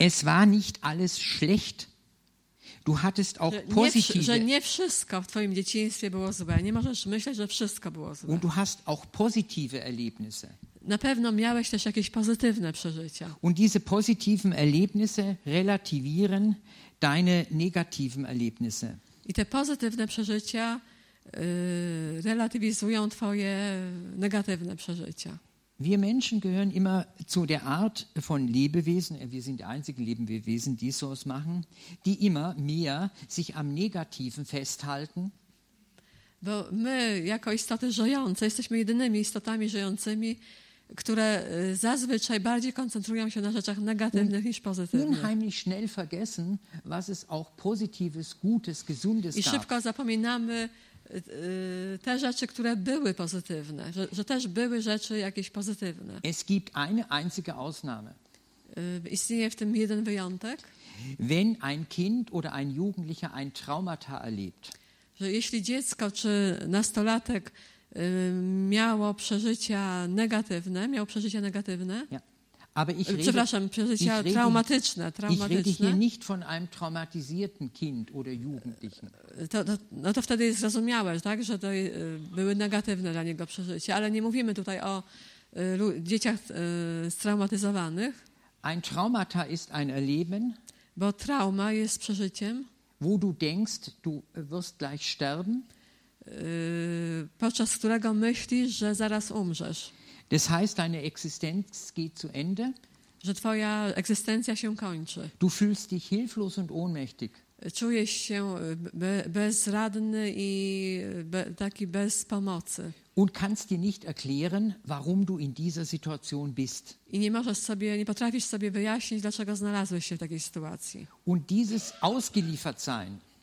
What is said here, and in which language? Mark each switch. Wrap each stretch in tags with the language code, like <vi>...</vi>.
<de>Es war nicht alles schlecht. Du hattest auch positive.</de> <pl>Że nie wszystko w twoim dzieciństwie było złe. Nie możesz myśleć, że wszystko było złe.</pl> <de>Und du hast auch positive Erlebnisse.</de> <pl>Na pewno miałeś też jakieś pozytywne przeżycia.</pl> <de>Und diese positiven Erlebnisse relativieren deine negativen Erlebnisse.</de> <pl>I te pozytywne przeżycia relatywizują twoje negatywne przeżycia.</pl> <de>Wir Menschen gehören immer zu der Art von Lebewesen, wir sind die einzigen Lebewesen, die so was machen, die immer mehr sich am Negativen festhalten.</de> <pl>Bo my, jako istoty żyjące, jesteśmy jedynymi istotami żyjącymi, które zazwyczaj bardziej koncentrują się na rzeczach negatywnych niż pozytywnych.</pl> <de>Unheimlich schnell vergessen, was es auch positives, gutes, gesundes gab.</de> <pl>I szybko zapominamy te rzeczy, które były pozytywne, że też były rzeczy jakieś pozytywne.</pl> <de>Es gibt eine einzige Ausnahme.</de> <pl>Istnieje w tym jeden wyjątek.</pl> <de>Wenn ein Kind oder ein Jugendlicher ein Traumata erlebt.</de> <pl>Że jeśli dziecko czy nastolatek miało przeżycia negatywne,</pl> <de>Ja. Aber ich rede,</de> <pl>przepraszam, przecież</pl> <de>ich ja rede,</de> <pl>traumatyczne, traumatyczne.</pl> <de>Ich rede hier nicht von einem traumatisierten Kind oder Jugendlichen.</de> <pl>No to wtedy zrozumiałeś, tak, że to były negatywne dla niego przeżycia, ale nie mówimy tutaj o dzieciach straumatyzowanych.</pl> <de>Ein Traumata ist ein Erleben.</de> <pl>Bo trauma jest przeżyciem.</pl> <de>Wo du denkst, du wirst gleich sterben.</de> <pl>Podczas którego myślisz, że zaraz umrzesz.</pl> <de>Das heißt, deine Existenz geht zu Ende.</de> <pl>Że twoja egzystencja się kończy.</pl> <de>Du fühlst dich hilflos und ohnmächtig.</de> <pl>Czujesz się bezradny i taki bez pomocy.</pl> <de>Und kannst dir nicht erklären, warum du in dieser Situation bist.</de> <pl>I nie możesz sobie, nie potrafisz sobie wyjaśnić, dlaczego znalazłeś się w takiej sytuacji.</pl> <de>Und dieses Ausgeliefertsein.</de>